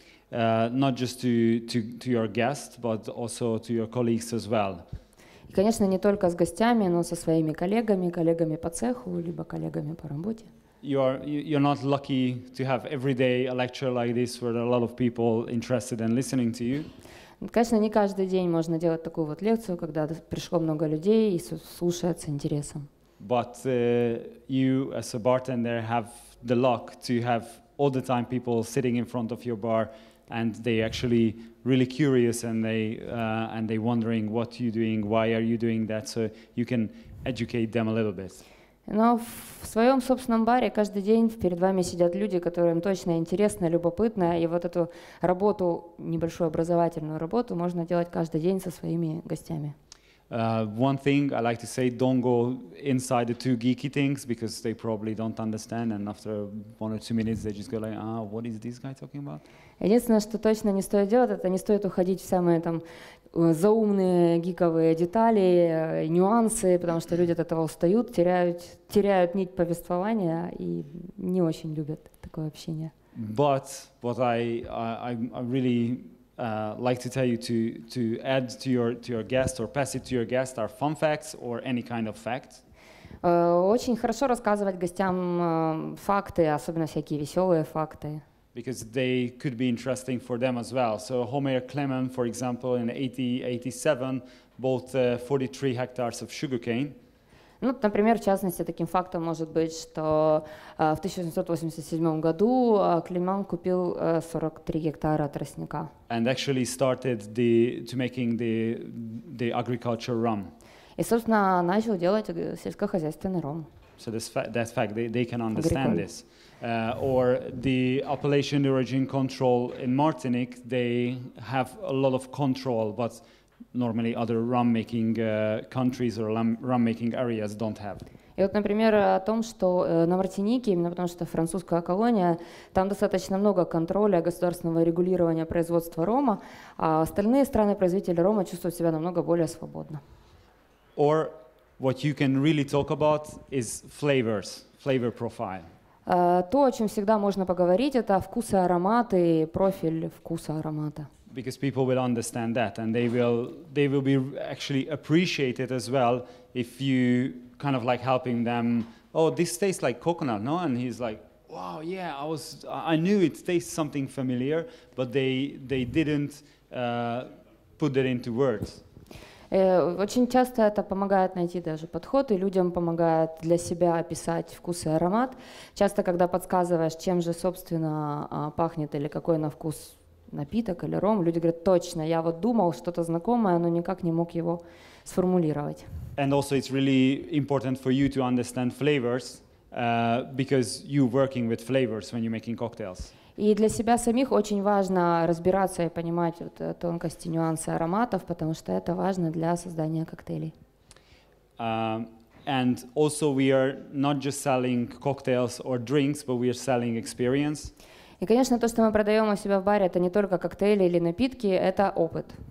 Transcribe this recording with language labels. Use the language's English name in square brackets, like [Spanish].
[English] Not just to your guests, but also to your colleagues as well. [Russian] И, конечно, не только с гостями, но со своими коллегами, коллегами по цеху, либо коллегами по работе. [English] You're not lucky to have every day a lecture like this where there are a lot of people interested in listening to you. [Russian] Конечно, не каждый день можно делать такую вот лекцию, когда пришло много людей и слушают с интересом. [English] But you, as a bartender, have the luck to have all the time people sitting in front of your bar, and they actually really curious and they wondering what you're doing, why are you doing that, so you can educate them a little bit. [Russian] Но в своем собственном баре каждый день перед вами сидят люди, которым точно интересно, любопытно, и вот эту работу, небольшую образовательную работу, можно делать каждый день со своими гостями. [English] One thing I like to say, don't go inside the two geeky things, because they probably don't understand, and after one or two minutes they just go like, what is this guy talking about? [Russian] Единственное, что точно не стоит делать, это не стоит уходить в самые там заумные гиковые детали, нюансы, потому что люди от этого устают, теряют нить повествования и не очень любят такое общение. [English] But what I really like to tell you to add to your guest or pass it to your guest are fun facts or any kind of fact. [Russian] Очень хорошо рассказывать гостям факты, особенно всякие веселые факты. [English] Because they could be interesting for them as well. So Homer Clement, for example, in 1887, bought 43 hectares of sugarcane. [Russian] Ну, например, в частности, таким фактом может быть, что в 1887 году Клеман купил 43 гектара тростника. [English] And actually started making the agriculture rum. [Russian] И, собственно, начал делать сельскохозяйственный ром. [English] So that's fact, they can understand this. Or the appellation origin control in Martinique, they have a lot of control, but normally other rum-making countries or rum-making areas don't have. [Russian] И вот, например, о том, что на Мартинике, именно потому что французская колония, там достаточно много контроля государственного регулирования производства рома, а остальные страны-производители рома чувствуют себя намного более свободно. [English] Or what you can really talk about is flavors, flavor profile. [Russian] То, о чем всегда можно поговорить, это вкусы, ароматы, профиль вкуса, аромата. [English] Because people will understand that, and they will be actually appreciate it as well if you kind of like helping them. Oh, this tastes like coconut, no? And he's like, wow, yeah, I knew it tastes something familiar, but they didn't put it into words. [Russian] Очень часто это помогает найти даже подход, и людям помогает для себя описать вкус и аромат. Часто, когда подсказываешь, чем же, собственно, пахнет или какой на вкус напиток или ром, люди говорят, точно, я вот думал что-то знакомое, но никак не мог его сформулировать. [English] And also it's really important for you to understand flavors, because you're working with flavors when you're making cocktails. [Russian] И для себя самих очень важно разбираться и понимать вот тонкости, нюансы ароматов, потому что это важно для создания коктейлей. [English] And also we are not just selling cocktails or drinks, but we are selling experience. [Russian] И, конечно, то, что мы продаем у себя в баре, это не только коктейли или напитки, это опыт.